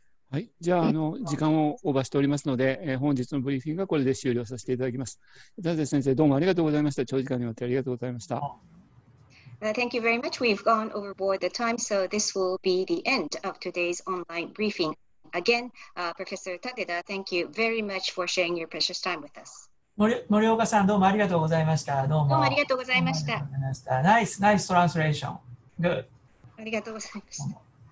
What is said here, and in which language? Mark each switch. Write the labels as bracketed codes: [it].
[ja] はい、じゃあ時間をオーバーしておりますので、本日のブリーフィングはこれで終了させていただきます。舘田先生、どうもありがとうございました。長時間にわたってありがとうございました。 [en] Thank you very much. We've gone overboard the time, so this will be the end of today's online briefing.Again, Professor Tateda, thank you very much for sharing your precious time with us. [ja] Morioka-san, どうもありがとうございました。どうもありがとうございました。 [en] ナイス、ナイストランスレーション。Good. [ja] ありがとうございました。